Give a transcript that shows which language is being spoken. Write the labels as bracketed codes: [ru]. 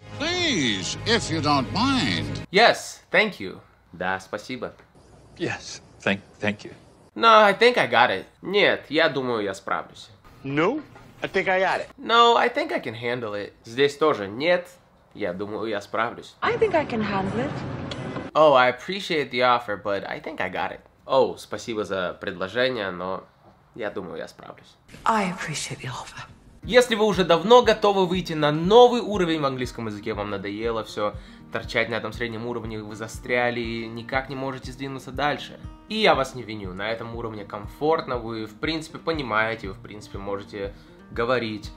[en] Please, if you don't mind. Yes, thank you. [ru] Да, спасибо. [en] Yes, thank you. No, I think I got it. [ru] Нет, я думаю, я справлюсь. [en] No, I think I got it. No, I think I can handle it. [ru] Здесь тоже нет, я думаю, я справлюсь. [en] I think I can handle it. Oh, I appreciate the offer, but I think I got it. [ru] Oh, спасибо за предложение, но я думаю, я справлюсь. [en] I appreciate the offer. [ru] Если вы уже давно готовы выйти на новый уровень в английском языке, вам надоело все торчать на этом среднем уровне, вы застряли и никак не можете сдвинуться дальше. И я вас не виню, на этом уровне комфортно, вы в принципе понимаете, вы в принципе можете говорить.